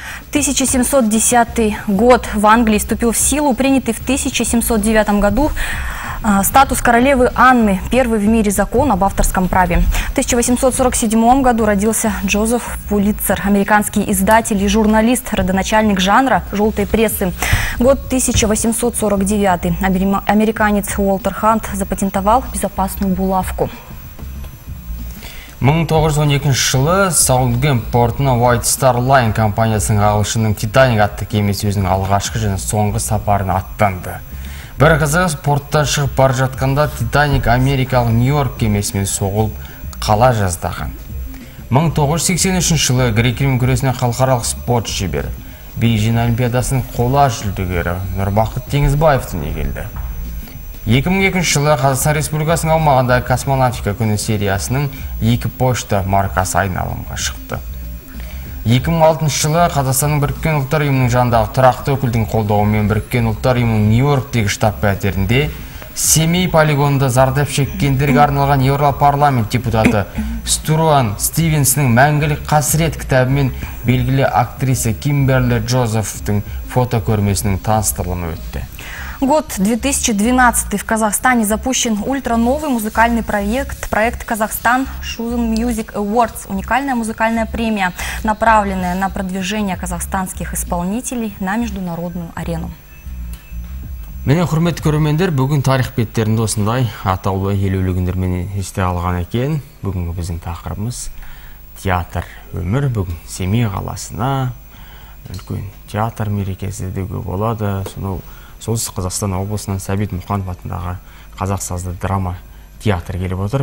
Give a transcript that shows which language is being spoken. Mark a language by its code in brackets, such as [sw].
[ru] В 1710 год в Англии вступил в силу принятый в 1709 году статус королевы Анны, первый в мире закон об авторском праве. В 1847 году родился Джозеф Пулитцер, американский издатель и журналист, родоначальник жанра желтой прессы. Год 1849. Американец Уолтер Хант запатентовал безопасную булавку. [kk] 1912 жылы Саутгемп портына White Star Line компаниясының ағылшының Титаник атты кемесі өзінің алғашқы және соңғы сапарын аттанды. Бір қызығы, портта шығып бар жатқанда Титаник Америкалық Нью-Йорк кемесімен соғылып қала жаздаған. 1983 жылы грек-рим күресінен халықаралық спорт шебері, Бейжин Олимпиадасының қола жүлдегері Нұрбақыт Теңізбаев дүниеге келді. 2002 жылы Қазақстан Республикасының аумағында «Космонавтика күні» сериясының екі пошта маркасы айналымға шықты. 2006 жылы Қазақстанның Біріккен Ұлттар ұйымының жанындағы тұрақты өкілдің қолдауымен Біріккен Ұлттар ұйымының Нью-Йорктегі штаб пәтерінде Семей полигонында зардап шеккендерге арналған Еуропарламент депутаты Стюрван Стивенсінің «Мәңгілік қасірет» кітабымен белгілі актриса Кимберли Джозефтің фотокөрмесінің таныстырылымы өтті. [ru] Год 2012. В Казахстане запущен ультра-новый музыкальный проект. Проект «Казахстан Shuzen Music Awards» – уникальная музыкальная премия, направленная на продвижение казахстанских исполнителей на международную арену. [kk] Мені құрметті көрермендер, бүгін тарих беттерінде осындай атаулы елеулі күндер мені есте алған екен. Бүгінгі біздің тақырыбымыз театр өмір. Бүгін Семей қаласына үлкен театр мерекесі деуге болады. Солтүстік Қазақстан облысынан Сәбит Мұқанов атындағы қазақ сазды драма театр келіп отыр.